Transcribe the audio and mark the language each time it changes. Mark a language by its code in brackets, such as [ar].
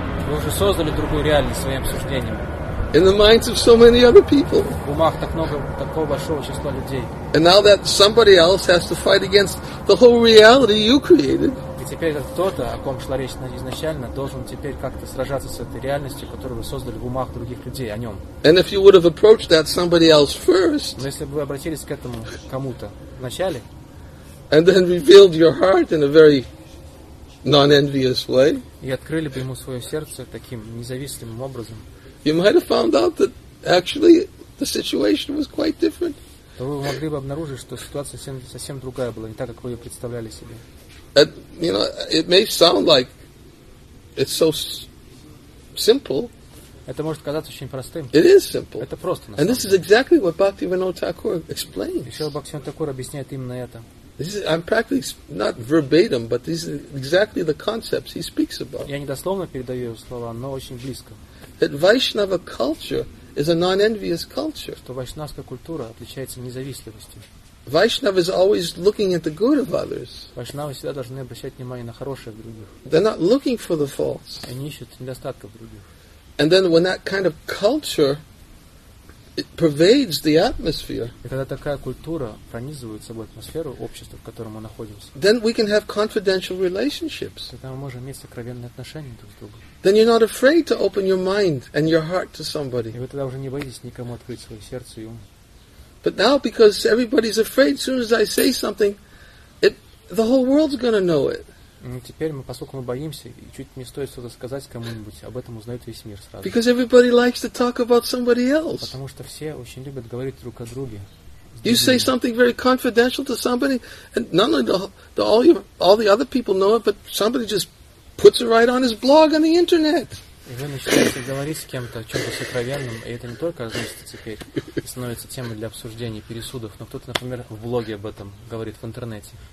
[ru] Вы уже создали другую реальность своим суждением. [en] In the minds of so many other people. [ru] В умах так много такого большого числа людей. [en] And now that somebody else has to fight against the whole reality you created. [ru] И теперь кто-то, о ком шла речь изначально, должен теперь как-то сражаться с этой реальностью, которую вы создали в умах других людей о нем. [en] And if you would have approached that somebody else first. [ru] Но если бы вы обратились к этому кому-то вначале. [en] And then revealed your heart in a very non-envious way. [ru] И открыли бы ему свое сердце таким независимым образом. [en] You might have found out that actually the situation was quite different. [ru] То вы могли бы обнаружить, что ситуация совсем другая была, не так, как вы ее представляли себе. [en] You know, it may sound like it's so simple. [ru] Это может казаться очень простым. [en] It is simple. [ru] Это просто. [en] And this is exactly what Bhaktivinoda Thakur explains. [ru] И еще Бхактивинода Тхакур объясняет именно это. [en] This is, I'm practically not verbatim, but these are exactly the concepts he speaks about. [ru] Я не дословно передаю его слова, но очень близко. [en] That Vaishnava culture is a non-envious culture. [ru] Что вайшнавская культура отличается независтивостью. [en] Vaishnava is always looking at the good of others. [ru] Вайшнавы всегда должны обращать внимание на хорошее в других. [en] They're not looking for the faults. [ru] Они ищут недостатки в других. [en] And then when that kind of culture it pervades the atmosphere. [ru] И когда такая культура пронизывает собой атмосферу общества, в котором мы находимся. [en] Then we can have confidential relationships. [ru] Тогда мы можем иметь сокровенные отношения друг с другом. [en] Then you're not afraid to open your mind and your heart to somebody. [ru] И вы тогда уже не боитесь никому открыть свое сердце и ум. [en] But now, because everybody's afraid, as soon as I say something, the whole world's going to know it. [ru] И теперь мы, поскольку мы боимся, и чуть не стоит что-то сказать кому-нибудь, об этом узнает весь мир сразу. [en] Because everybody likes to talk about somebody else. [ru] Потому что все очень любят говорить друг о друге. [en] You say something very confidential to somebody, and not only all the other people know it, but somebody just puts it right on his blog on the internet. [ru] И вы начинаете говорить с кем-то о чем-то сокровенном, и это не только относится теперь, становится темой для обсуждений, пересудов, но кто-то, например, в блоге об этом говорит в интернете.